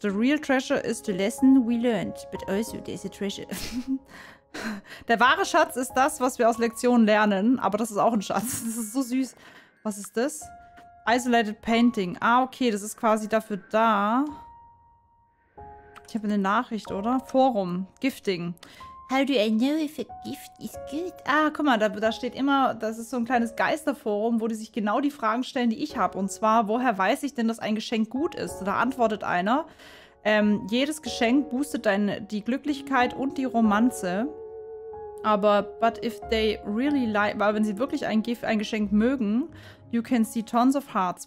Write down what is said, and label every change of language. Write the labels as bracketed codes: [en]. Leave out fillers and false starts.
[en] The real treasure is the lesson we learned. But also, there's a treasure. [de] Der wahre Schatz ist das, was wir aus Lektionen lernen. Aber das ist auch ein Schatz. Das ist so süß. Was ist das? Isolated Painting. Ah, okay, das ist quasi dafür da. Ich habe eine Nachricht, oder? Forum. Gifting. [en] How do I know if a gift is good? [de] Ah, guck mal, da steht immer, das ist so ein kleines Geisterforum, wo die sich genau die Fragen stellen, die ich habe. Und zwar, woher weiß ich denn, dass ein Geschenk gut ist? Da antwortet einer, jedes Geschenk boostet die Glücklichkeit und die Romanze. [en] Aber, but if they really like, [de] weil wenn sie wirklich ein Geschenk mögen, [en] you can see tons of hearts.